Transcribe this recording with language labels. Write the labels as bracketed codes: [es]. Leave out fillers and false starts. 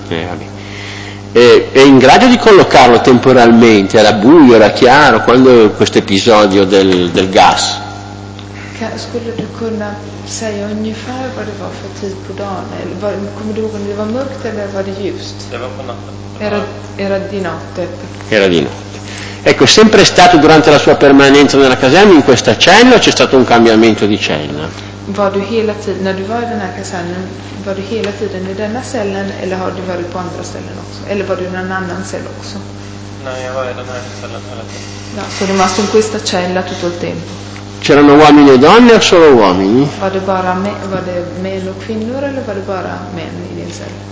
[it] È in grado di collocarlo temporalmente? Era buio, era chiaro? Quando questo episodio del gas? [sv] Skulle du kunna säga ungefär vad det var för tid på dagen? Kommer du ihåg om det var mörkt eller var det ljust? Det var på natten. [it] Era di notte. Era di notte. Ecco, sempre stato durante la sua permanenza nella caserma in questa cella o c'è stato un cambiamento di cella? [sv] Var du hela tiden, när du var i den här kasernen, var du hela tiden i denna cellen eller har du varit på andra ställen också? Eller var du i någon annan cell också? Nej, jag var i den här cellen hela tiden. No, sono rimasto in questa cella tutto il tempo. [it] C'erano uomini e donne o solo uomini? [sv] Var det bara män och kvinnor eller var det bara män i din cell?